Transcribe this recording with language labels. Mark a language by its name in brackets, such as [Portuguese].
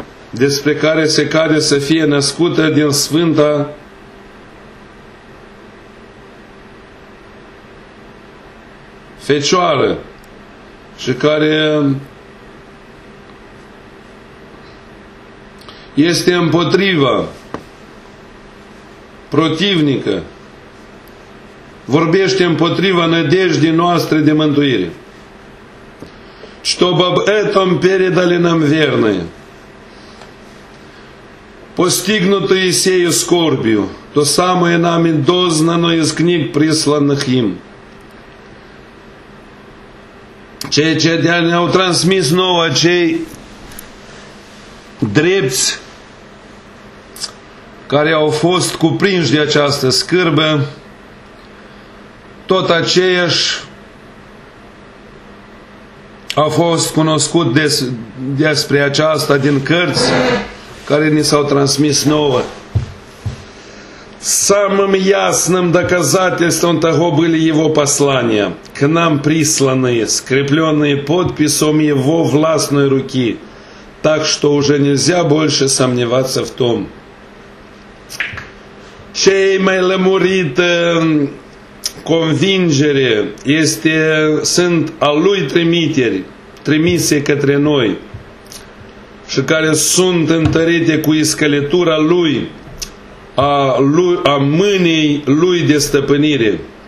[Romanian] Despre care se cade să fie născută din Sfânta Fecioară și care este împotriva, [Russian] противника, [Romanian] vorbește împotriva nădejdii noastre de mântuire. [Russian] Чтобы об этом передали нам верные, постигнутые сею скорбью, то самое нами дознано из книг, присланных им. [Romanian] Cei ce ne-au transmis nouă, cei drepți, care au fost cuprinși de această scârbă, tot aceiași au fost cunoscut despre aceasta din cărți care ni s-au transmis nouă. [Russian] Самым ясным доказательством того были его послания, к нам присланные, скрепленные подписом его властной руки, так что уже нельзя больше сомневаться в том. [Romanian] cei mai lămurite convingere este, sunt al lui trimiteri, trimise către noi și care sunt întărite cu iscălitura lui, a mâinii lui de stăpânire.